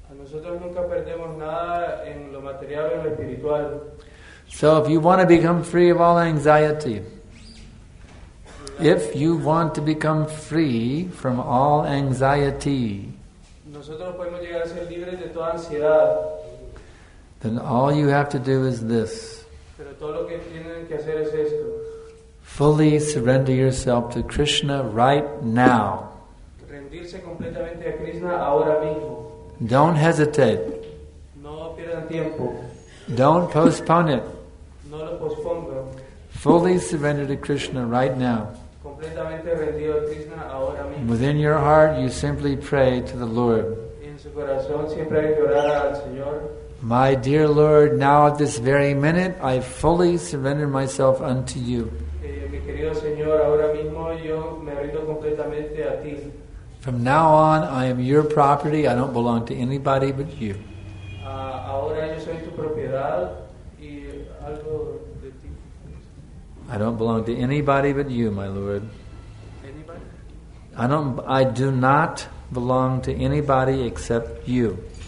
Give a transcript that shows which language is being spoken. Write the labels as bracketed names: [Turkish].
[English] So if you want to become free of all anxiety, if you want to become free from all anxiety, then all you have to do is this. [Spanish] Pero todo lo que tienen que hacer es esto. [English] Fully surrender yourself to Krishna right now. [Spanish] Rendirse completamente a Krishna ahora mismo. [English] Don't hesitate. [Spanish] No pierdan tiempo. [English] Don't postpone it. [Spanish] No lo pospongo. [English] Fully surrender to Krishna right now. [Spanish] Completamente rendido a Krishna ahora mismo. [English] Within your heart, you simply pray to the Lord. [Spanish] En su corazón siempre hay que orar al Señor. [English] My dear Lord, now at this very minute, I fully surrender myself unto you. [Spanish] Mi querido Señor, ahora mismo yo me rindo completamente a ti. [English] From now on, I am your property. I don't belong to anybody but you. [Spanish] Ahora yo soy tu propiedad y algo de ti. [English] I don't belong to anybody but you, my Lord. Anybody? I do not belong to anybody except you.